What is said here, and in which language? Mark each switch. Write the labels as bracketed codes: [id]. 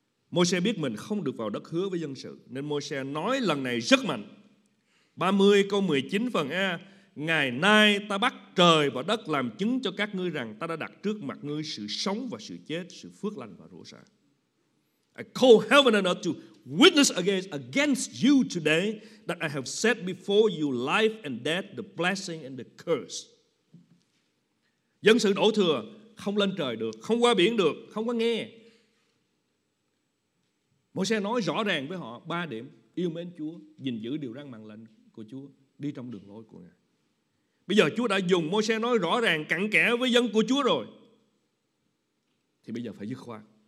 [vi] Môi-se biết mình không được vào đất hứa với dân sự, nên Môi-se nói lần này rất mạnh. 30 câu 19 phần A: ngày nay ta bắt trời và đất làm chứng cho các ngươi rằng ta đã đặt trước mặt ngươi sự sống và sự chết, sự phước lành và rủa sả. [en] I call heaven and earth to witness against you today that I have set before you life and death, the blessing and the curse. [vi] Dân sự đổ thừa, không lên trời được, không qua biển được, không có nghe. Môi-se nói rõ ràng với họ ba điểm: yêu mến Chúa, gìn giữ điều răn mạng lệnh của Chúa, đi trong đường lối của Ngài. Bây giờ Chúa đã dùng Môi-se nói rõ ràng cặn kẽ với dân của Chúa rồi, thì bây giờ phải dứt khoát.